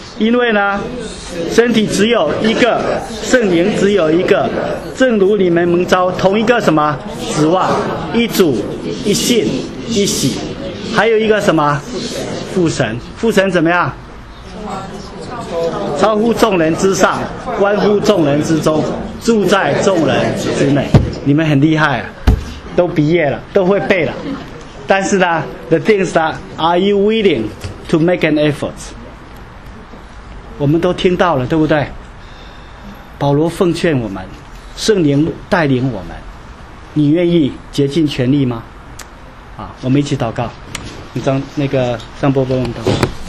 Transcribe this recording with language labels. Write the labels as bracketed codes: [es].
[zh] 因为呢，身体只有一个，圣灵只有一个，正如你们蒙召同一个什么指望，一主、一信、一喜，还有一个什么父神。父神怎么样？超乎众人之上，关乎众人之中，住在众人之内。你们很厉害啊，都毕业了，都会背了。但是呢 [en] The thing is that Are you willing to make an effort? [zh] 我们都听到了，对不对？保罗奉劝我们，圣灵带领我们，你愿意竭尽全力吗？啊，我们一起祷告。你张那个张伯伯，我们祷告。